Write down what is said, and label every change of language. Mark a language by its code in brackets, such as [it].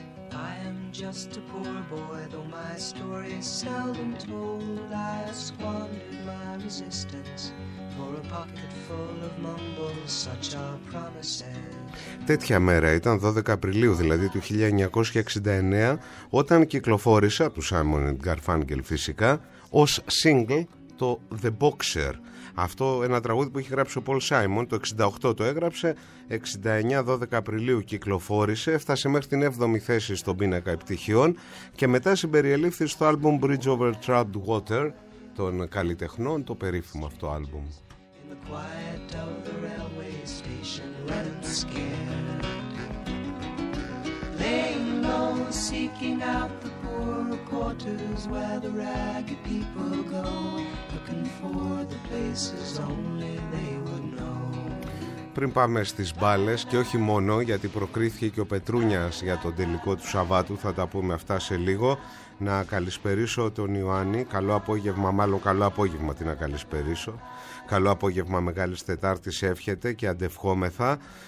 [en] I am just a poor boy, though my story is seldom told. I squandered my resistance for a pocket full of mumbles, such are promises. [el] Τέτοια μέρα ήταν, 12 Απριλίου δηλαδή του 1969, όταν κυκλοφόρησε από τους Simon & Garfunkel φυσικά ως single το The Boxer. Αυτό ένα τραγούδι που είχε γράψει ο Paul Simon, το 68 το έγραψε, 69, 12 Απριλίου κυκλοφόρησε, έφτασε μέχρι την 7η θέση στον πίνακα επιτυχιών και μετά συμπεριελήφθη στο άλμπουμ Bridge Over Troubled Water των καλλιτεχνών, το περίφημο αυτό άλμπουμ. [en] Quiet of the railway station, let him scare. Laying low, seeking out the poor quarters where the ragged people go, looking for the places only they would know. [el] Πριν πάμε στις μπάλες, και όχι μόνο, γιατί προκρίθηκε και ο Πετρούνιας για τον τελικό του Σαββάτου, θα τα πούμε αυτά σε λίγο, να καλησπερίσω τον Ιωάννη. Καλό απόγευμα, μάλλον καλό απόγευμα, τι να καλησπερίσω. Καλό απόγευμα Μεγάλης Τετάρτης εύχεται και αντευχόμεθα.